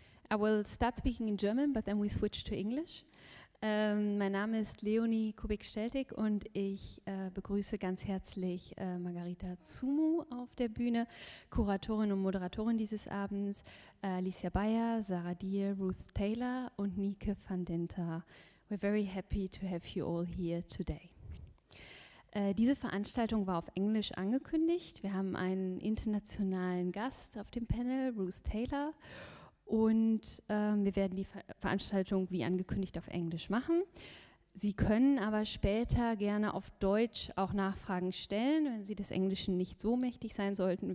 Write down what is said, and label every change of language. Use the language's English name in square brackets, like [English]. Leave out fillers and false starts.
[English] I will start speaking in German, but then we switch to English. [German] Mein Name ist Leonie Kubik-Steltig und ich begrüße ganz herzlich Margarita Tsomou auf der Bühne, Kuratorin und Moderatorin dieses Abends, Alicia Bayer, Sarah Diehl, Ruth Taylor und Nike van Dinter. [English] We're very happy to have you all here today. [German] Diese Veranstaltung war auf Englisch angekündigt. Wir haben einen internationalen Gast auf dem Panel, Ruth Taylor. Und wir werden die Veranstaltung wie angekündigt auf Englisch machen. Sie können aber später gerne auf Deutsch auch Nachfragen stellen, wenn Sie des Englischen nicht so mächtig sein sollten.